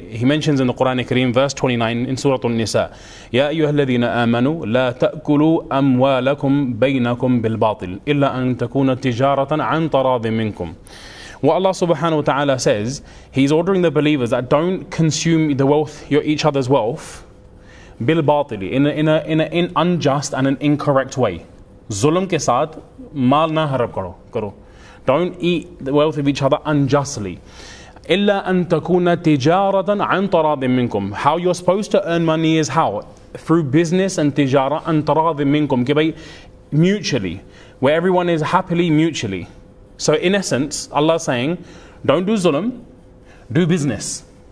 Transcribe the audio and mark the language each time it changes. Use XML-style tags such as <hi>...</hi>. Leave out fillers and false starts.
<en>He mentions in the Quran Kareem, verse 29 in Surah An-Nisa,</en> <ar>يَا أَيُّهَا الَّذِينَ آمَنُوا لَا تَأْكُلُوا أَمْوَالَكُمْ بَيْنَكُمْ بِالْبَاطِلِ إِلَّا أَن تَكُونَ تِجَارَةً عَن تَرَاضٍ مِّنْكُمْ.</ar> <en>What Allah subhanahu wa ta'ala says, He's ordering the believers that don't consume the wealth, each other's wealth, bil batili, in an unjust and an incorrect way.</en> <ur>ظلم کے ساد، مال نہ ہرب کرو.</ur> <en>Don't eat the wealth of each other unjustly.</en> <ar>Illa an takuna tijaratan an taradim minkum.</ar> <en>How you're supposed to earn money is how? Through business and tijara,</en> <ar>an taradim minkum.</ar> <en>Mutually. Where everyone is happily mutually. So in essence, Allah is saying, don't do zulm, do business.</en>